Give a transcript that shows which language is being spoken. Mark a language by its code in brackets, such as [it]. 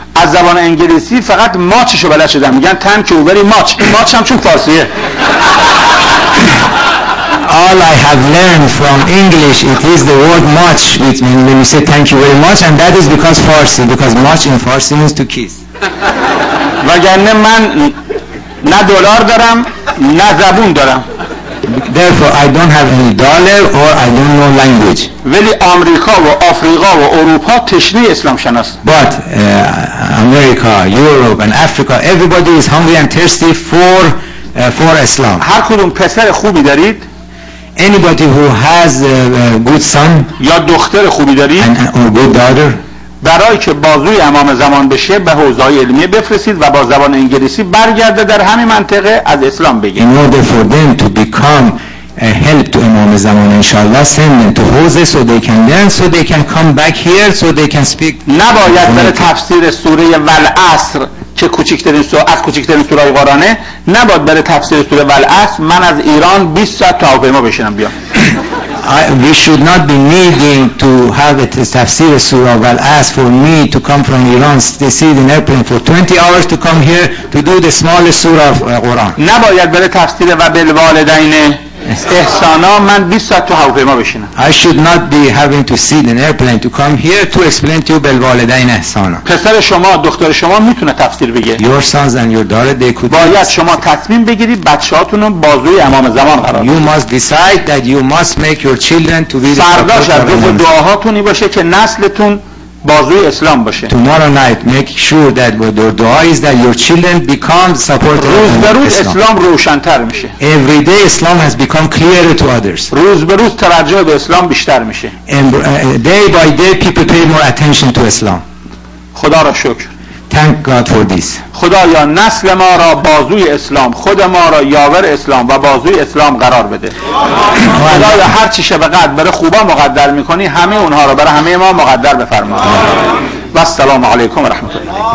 [fa] از زبان انگلیسی فقط ماچشو بلد شدم میگن [en] تن که اوبری ماچ [fa] ماچ هم چون فارسیه [en] All I have learned from English it is the word much which means when you say thank you very much and that is because Farsi because much in Farsi means to kiss. [fa] وگرنه من نه دلار دارم نه زبون دارم. [en] Therefore I don't have any dollar or I don't know language. [fa] ولی آمریکا و آفریقا و اروپا تشنه اسلام شناس. [en] But America, Europe and Africa everybody is hungry and thirsty for Islam. [fa] هر کدوم پسر خوبی دارید [en] Anybody who has a good son [fa] یا دختر خوبی داری [en] or good daughter [fa] برای که بازوی امام زمان بشه به حوزه علمی بفرستید و با زبان انگلیسی برگرده در همین منطقه از اسلام بگه [en] In order for them to become a help to امام زمان انشاءالله send them to حوزه so they can learn so they can come back here so they can speak [fa] نباید برای تفسیر سوره والعصر چه کوچکترین سوره از کوچکترین سوره قرآنه، نباید برای تفسیر سوره ولعصر من از ایران 20 ساعت تا هواپیما بشینم بیام. [en] We should not be needing to have a tafsir surah ولعصر for me to come from Iran, sit in airplane for 20 hours to come here to do the small surah of Quran. [fa] نباید برای تفسیر [ar] و بالوالدین احسانا [fa] من 20 ساعت تو هواپیما بشینم. [en] I should not be having to sit in airplane to come here to explain to you [ar] بالوالدین احسانا. [fa] پسر شما، دختر شما میتونه تفسیر بگه. [en] Your sons and your daughter, they could. [fa] باید شما تصمیم بگیرید بچه‌هاتون رو بازوی امام زمان قرار بدید. [en] You must decide that you must make your children to be the [fa] فرداش از روز دعاهاتونی باشه که نسلتون بازوی اسلام باشه. [en] Tomorrow night make sure that with your dua is that your children become supporters. [fa] روز به روز اسلام روشن‌تر میشه. [en] Every day Islam has become clearer to others. [fa] روز به روز توجه به اسلام بیشتر میشه. [en] Day by day people pay more attention to Islam. [fa] خدا را شکر. [en] Thank God for this. [fa] خدایا نسل ما را بازوی اسلام، خود ما را یاور اسلام و بازوی اسلام قرار بده. خدایا هر چی شب قدر برای خوبا مقدر میکنی، همه اونها را برای همه ما مقدر بفرما. و السلام علیکم و رحمت الله.